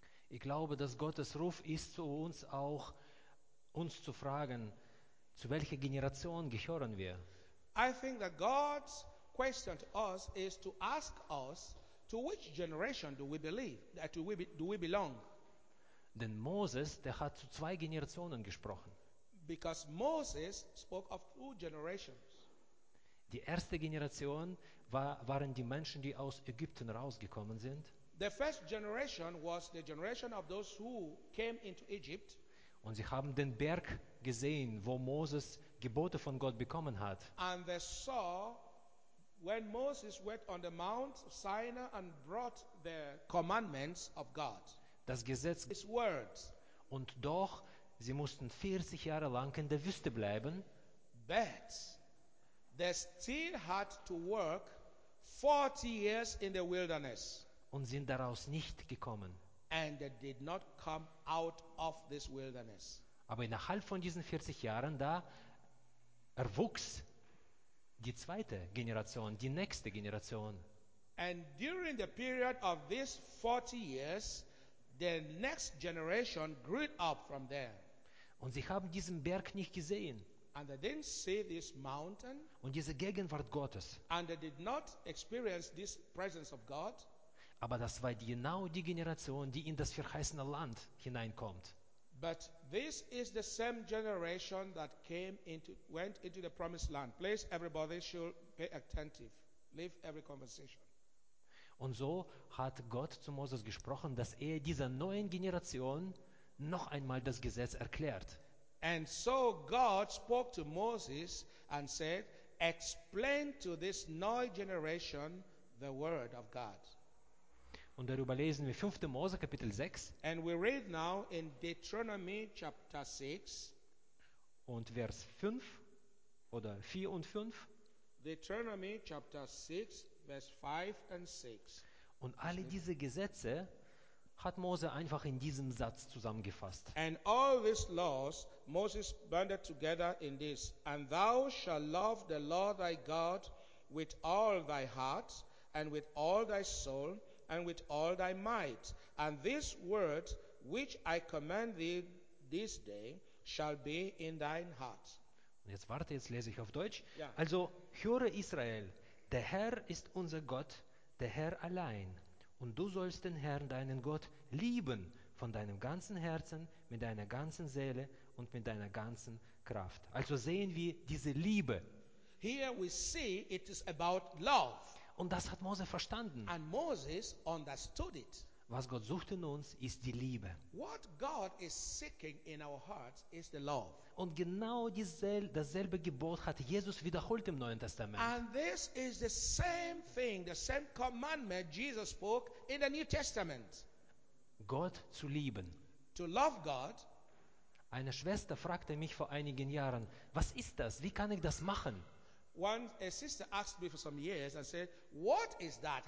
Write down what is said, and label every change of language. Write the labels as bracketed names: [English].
[German] Ich glaube, dass Gottes Ruf ist zu uns auch, uns zu fragen, zu welcher Generation gehören wir? [English] I think that God's question to us is to ask us, to which generation do we believe, that do we belong? [German] Denn Moses, der hat zu zwei Generationen gesprochen. [English] Because Moses spoke of two generations. [German] Die erste Generation waren die Menschen, die aus Ägypten rausgekommen sind. [English] The first generation was the generation of those who came into Egypt. [German] Und sie haben den Berg gesehen, wo Moses Gebote von Gott bekommen hat. [English] And they saw when Moses went on the Mount Sinai and brought the commandments of God. [German] Das Gesetz. [English] His words. [German] Und doch, sie mussten 40 Jahre lang in der Wüste bleiben. [English] But they still had to work 40 years in the wilderness. [German] Und sind daraus nicht gekommen. [English] And they did not come out of this wilderness. [German] Aber innerhalb von diesen 40 Jahren, da erwuchs die zweite Generation, die nächste Generation. [English] And during the period of these 40 years, the next generation grew up from there. [German] Und sie haben diesen Berg nicht gesehen. [English] And they didn't see this mountain. [German] Und diese Gegenwart Gottes. [English] And they did not experience this presence of God. [German] Aber das war genau die Generation, die in das verheißene Land hineinkommt. [English] But this is the same generation that went into the promised land. Please, everybody should pay attentive. Leave every conversation. [German] Und so hat Gott zu Moses gesprochen, dass er dieser neuen Generation noch einmal das Gesetz erklärt. [English] And so God spoke to Moses and said, explain to this new generation the word of God. [German] Und darüber lesen wir 5. Mose Kapitel 6. [English] And we read now in Deuteronomy chapter 6 [German] und Vers 5 oder 4 und 5. [English] Deuteronomy chapter 6 verse 5 and 6. [German] Und alle diese Gesetze hat Mose einfach in diesem Satz zusammengefasst. [English] And all these laws Moses banded together in this. And thou shalt love the Lord thy God with all thy heart and with all thy soul and with all thy might. And this word which I command thee this day shall be in thine heart. [German] Jetzt warte, jetzt lese ich auf Deutsch. Yeah. Also höre Israel, der Herr ist unser Gott, der Herr allein. Und du sollst den Herrn, deinen Gott, lieben von deinem ganzen Herzen, mit deiner ganzen Seele und mit deiner ganzen Kraft. Also sehen wir diese Liebe. [English] Here we see it is about love. [German] Und das hat Mose verstanden. [English] And Moses understood it. [German] Was Gott sucht in uns, ist die Liebe. [English] What God is seeking in our hearts is the love. [German] Und genau dasselbe Gebot hat Jesus wiederholt im Neuen Testament. [English] And this is the same thing, the same commandment Jesus spoke in the New Testament. [German] Gott zu lieben. [English] To love God. [German] Eine Schwester fragte mich vor einigen Jahren, was ist das? Wie kann ich das machen? [English] One sister asked me for some years and said, what is that?